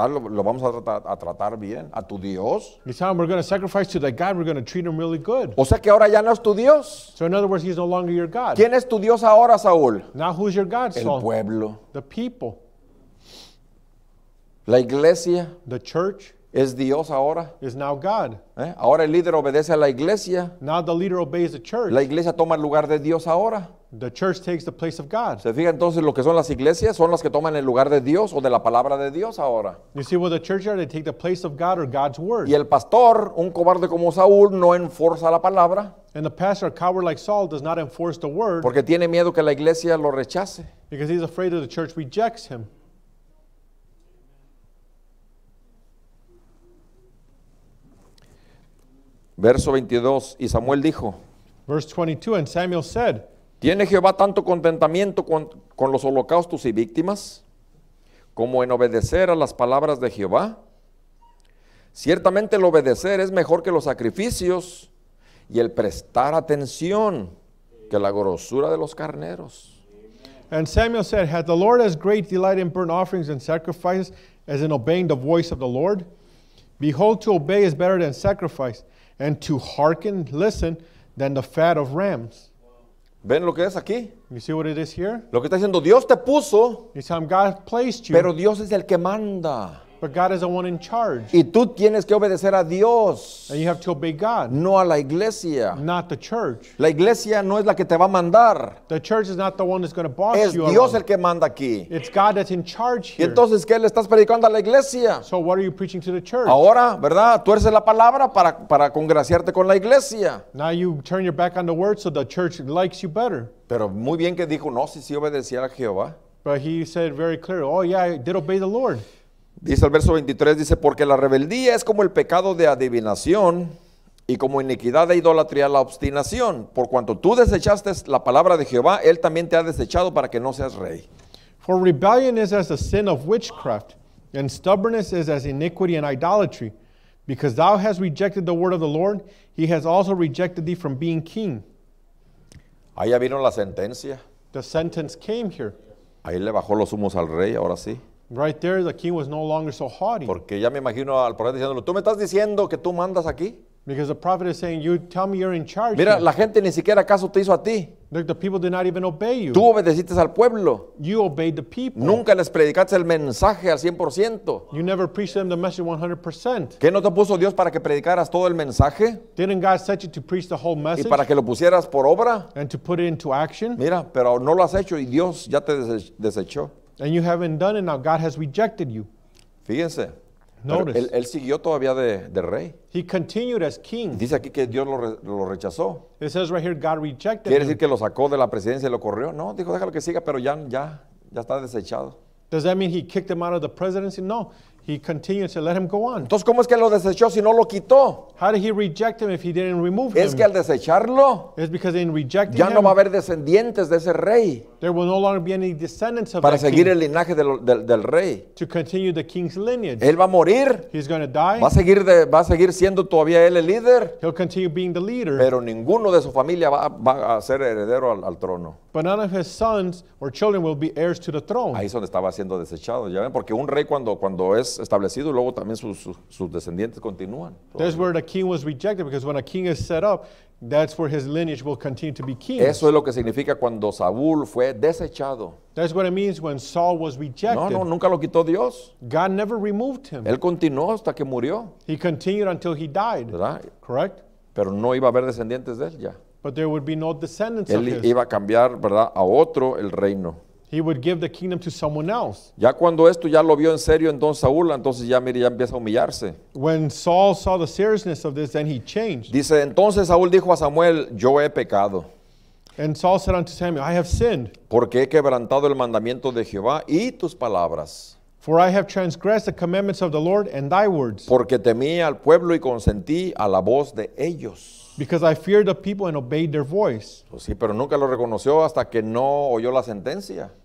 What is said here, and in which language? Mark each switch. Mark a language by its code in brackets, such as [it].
[es] Lo vamos a tratar bien. A tu Dios. [en] He's saying we're going to sacrifice to that God. We're going to treat him really good. [es] O sea que ahora ya no es tu Dios. [en] So in other words, he's no longer your God. [es] ¿Quién es tu Dios ahora, Saúl? [en] Now who's your God, Saul? [es] El pueblo. [en] The people. [es] La iglesia. [en] The church. [es] Es Dios ahora. [en] Is now God. [es] Ahora el líder obedece a la iglesia. [en] Now the leader obeys the church. [es] La iglesia toma el lugar de Dios ahora. [en] The church takes the place of God. [es] ¿Se fija entonces lo que son las iglesias? Son las que toman el lugar de Dios o de la palabra de Dios ahora. [en] You see what the church are? They take the place of God or God's word. [es] Y el pastor, un cobarde como Saúl, no enforza la palabra. [en] And the pastor, a coward like Saul, does not enforce the word. [es] Porque tiene miedo que la iglesia lo rechace. [en] Because he's afraid that the church rejects him. [es] Verso 22, y Samuel dijo. [en] Verse 22, and Samuel said. [es] ¿Tiene Jehová tanto contentamiento con los holocaustos y víctimas, como en obedecer a las palabras de Jehová? Ciertamente el obedecer es mejor que los sacrificios, y el prestar atención que la grosura de los carneros. [en] And Samuel said, hath the Lord as great delight in burnt offerings and sacrifices as in obeying the voice of the Lord? Behold, to obey is better than sacrifice, and to hearken, listen, than the fat of rams. [es] ¿Ven lo que es aquí? [en] You see what it is here? [es] Lo que está diciendo, Dios te puso. [en] It's how God placed you. [es] Pero Dios es el que manda. [en] But God is the one in charge. [es] Y tú tienes que obedecer a Dios. [en] And you have to obey God. [es] No a la iglesia. [en] Not the church. [es] La iglesia no es la que te va a mandar. [en] The church is not the one that's going to boss you. [es] Es Dios el que manda aquí. [en] It's God that's in charge here. [es] Y entonces, ¿qué le estás predicando a la iglesia? [en] So what are you preaching to the church? [es] Ahora, ¿verdad? Tuerces la palabra para congraciarte con la iglesia. [en] Now you turn your back on the word so the church likes you better. [es] Pero muy bien que dijo, no, si obedecía a Jehová. [en] But he said very clearly, oh yeah, I did obey the Lord. [es] Dice el verso 23, dice, porque la rebeldía es como el pecado de adivinación y como iniquidad de idolatría la obstinación. Por cuanto tú desechaste la palabra de Jehová, él también te ha desechado para que no seas rey. [en] For rebellion is as a sin of witchcraft, and stubbornness is as iniquity and idolatry. Because thou hast rejected the word of the Lord, he has also rejected thee from being king. [es] Ahí ya vino la sentencia. [en] The sentence came here. [es] Ahí le bajó los humos al rey, ahora sí. [en] Right there, the king was no longer so haughty. [es] Porque ya me imagino al profeta diciéndolo, ¿tú me estás diciendo que tú mandas aquí? [en] Because the prophet is saying, you tell me you're in charge. [es] Mira, la gente ni siquiera caso te hizo a ti. [en] Look, the people did not even obey you. [es] Tú obedeciste al pueblo. [en] You obeyed the people. [es] Nunca les predicaste el mensaje al 100%. [en] You never preached them the message 100%. [es] ¿Qué no te puso Dios para que predicaras todo el mensaje? [en] Didn't God set you to preach the whole message? [es] ¿Y para que lo pusieras por obra? [en] And to put it into action. [es] Mira, pero no lo has hecho y Dios ya te desechó. [en] And you haven't done it, now God has rejected you. [es] Fíjense. [en] Notice. [es] Él siguió todavía de rey. [en] He continued as king. [es] Dice aquí que Dios lo rechazó. [en] It says right here, God rejected him. [es] ¿Quiere decir que lo sacó de la presidencia y lo corrió? No, dijo, déjalo que siga, pero ya está desechado. [en] Does that mean he kicked him out of the presidency? No. He continued, said, let him go on. [es] Entonces, ¿cómo es que lo desechó si no lo quitó? [en] How did he reject him if he didn't remove him? [es] Es que al desecharlo, [en] it's because in rejecting [es] ya no va a haber descendientes de ese rey. [en] There will no longer be any descendants of that king. [es] Para seguir el linaje del rey. [en] To continue the king's lineage. [es] Él va a morir. [en] He's going to die. [es] Va a seguir siendo todavía él el líder. [en] He'll continue being the leader. [es] Pero ninguno de su familia va a ser heredero al trono. [en] But none of his sons or children will be heirs to the throne. [es] Ahí es donde estaba siendo desechado. Ya ven, porque un rey cuando es establecido, luego también sus descendientes continúan. [en] That's where the king was rejected, because when a king is set up, that's where his lineage will continue to be king. [es] Eso es lo que significa cuando Saúl fue desechado. [en] That's what it means when Saul was rejected. [es] No, nunca lo quitó Dios. [en] God never removed him. [es] Él continuó hasta que murió. [en] He continued until he died. [es] ¿Verdad? [en] Correct? [es] Pero no iba a haber descendientes de él ya. [en] But there would be no descendants [es] él [en] of his. [es] Él iba a cambiar, ¿verdad?, a otro el reino. [en] He would give the kingdom to someone else. [es] Ya cuando esto ya lo vio en serio en Don Saúl, entonces ya mire, ya empieza a humillarse. [en] When Saul saw the seriousness of this, then he changed. [es] Dice, entonces Saúl dijo a Samuel, yo he pecado. [en] And Saul said unto Samuel, I have sinned. [es] Porque he quebrantado el mandamiento de Jehová y tus palabras. [en] For I have transgressed the commandments of the Lord and thy words. [es] Porque temí al pueblo y consentí a la voz de ellos. [en] Because I feared the people and obeyed their voice. [es] Pues sí, pero nunca lo reconoció hasta que no oyó la sentencia.